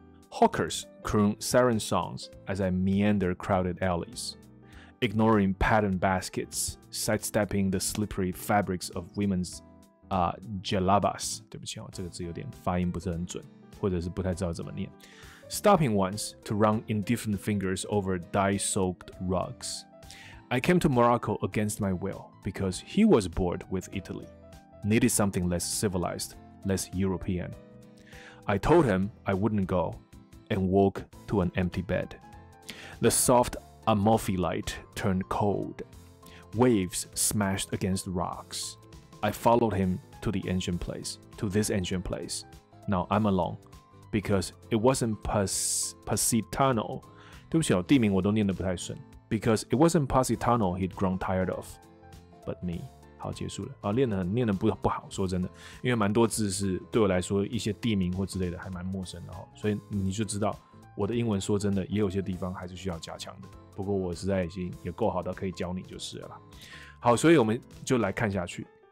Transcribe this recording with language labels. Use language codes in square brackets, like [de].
[en] Hawkers croon siren songs as I meander crowded alleys, ignoring patterned baskets, sidestepping the slippery fabrics of women's jalabas. [zh] 对不起哦，这个字有点发音不是很准，或者是不太知道怎么念。 [en] Stopping once to run indifferent fingers over dye-soaked rugs. I came to Morocco against my will because he was bored with Italy, needed something less civilized, less European. I told him I wouldn't go and woke to an empty bed. The soft amorphi light turned cold. Waves smashed against rocks. I followed him to the ancient place, to this ancient place. Now I'm alone because it wasn't Positano. [zh] 对不起哦，地名我都念得不太顺。 [en] Because it wasn't Positano he'd grown tired of, but me. [zh] 好，结束了。练得 不好，说真的，因为蛮多字是对我来说一些地名或之类的还蛮陌生的，所以你就知道我的英文说真的也有些地方还是需要加强的。不过我实在已经也够好到可以教你就是了啦。好，所以我们就来看下去。